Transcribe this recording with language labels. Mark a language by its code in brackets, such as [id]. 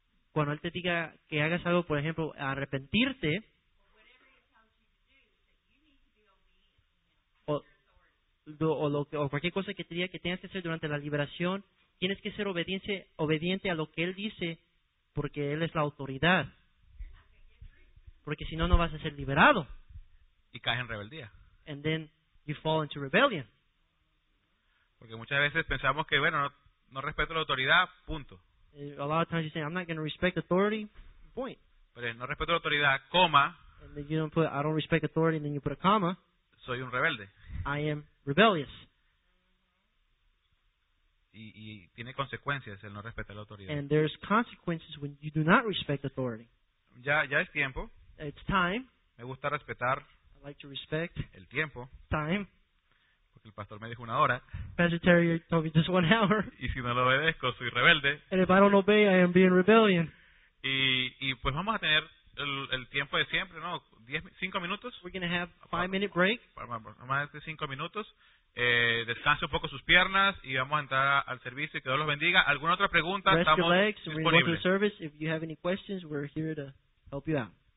[es] Cuando él te diga que hagas algo, por ejemplo, arrepentirte, o cualquier cosa que te diga que tengas que hacer durante la liberación, tienes que ser obediente a lo que él dice, porque él es la autoridad. Porque si no, no vas a ser liberado. Y caes en rebeldía. [en] And then you fall into rebellion. [es] Porque muchas veces pensamos que, bueno, no respeto la autoridad, punto. [en] A lot of times you say, I'm not going to respect authority, point. [es] Pero no respeto la autoridad, comma. [en] And then you don't put, I don't respect authority, and then you put a comma. [es] Soy un rebelde. [en] I am rebellious. [es] Y tiene consecuencias el no respetar la autoridad. [en] And there's consequences when you do not respect authority. [es] Ya es tiempo. [en] It's time. [es] Me gusta respetar. [en] I like to respect. [es] El tiempo. [en] Time. [es] El pastor me dijo una hora. [en] Pastor Terry told me just 1 hour. [es] Y si no lo obedezco, soy rebelde. [en] And if I don't obey, I am being rebellion. [es] Y pues vamos a tener el tiempo de siempre, ¿no? 5 minutos. [en] We're going to have a 5-minute break. [es] Más de 5 minutos. Descanse un poco sus piernas y vamos a entrar al servicio. Que Dios los bendiga. ¿Alguna otra pregunta? [en] Rest [es] estamos [en] your legs. [es] Disponibles. [en] We're going to service. If you have any questions, we're here to help you out.